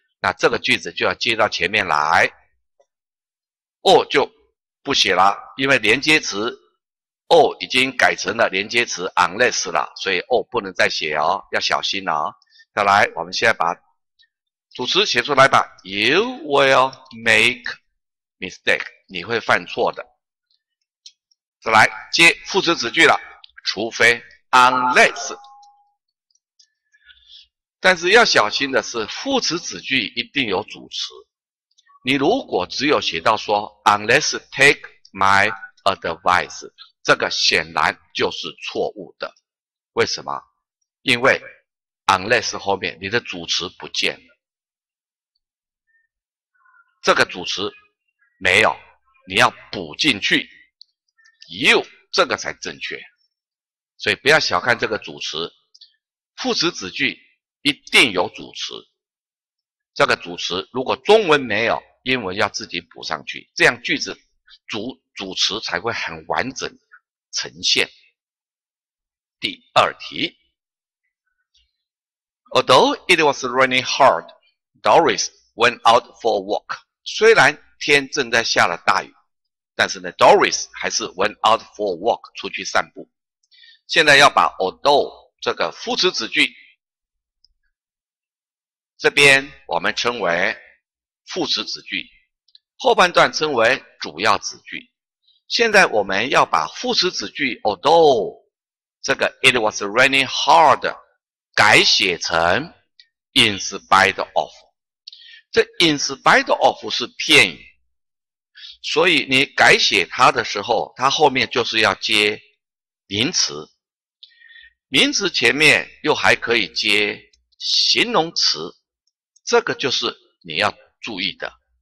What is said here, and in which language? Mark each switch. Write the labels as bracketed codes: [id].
[zh] 那这个句子就要接到前面来， or 就不写了，因为连接词 or 已经改成了连接词 unless 了，所以 or 不能再写哦，要小心哦。再来，我们现在把主词写出来吧。 [en] You will make mistake， [zh] 你会犯错的。再来接副词子句了，除非 unless。但是要小心的是，副词子句一定有主词。你如果只有写到说 [en] unless take my advice， [zh] 这个显然就是错误的。为什么？因为 unless 后面你的主词不见了，这个主词没有，你要补进去 you， 这个才正确。所以不要小看这个主词，副词子句一定有主词，这个主词如果中文没有，英文要自己补上去，这样句子 主词才会很完整呈现。第二题， [en] Although it was raining hard, Doris went out for a walk。 [zh] 虽然天正在下了大雨，但是呢 Doris 还是 [en] went out for a walk， [zh] 出去散步。现在要把 although 这个副词子句，这边我们称为副词子句，后半段称为主要子句。现在我们要把副词子句 although 这个 [en] it was raining hard [zh] 改写成 in spite of。这 in spite of 是片语，所以你改写它的时候，它后面就是要接名词，名词前面又还可以接形容词，这个就是你要注意的。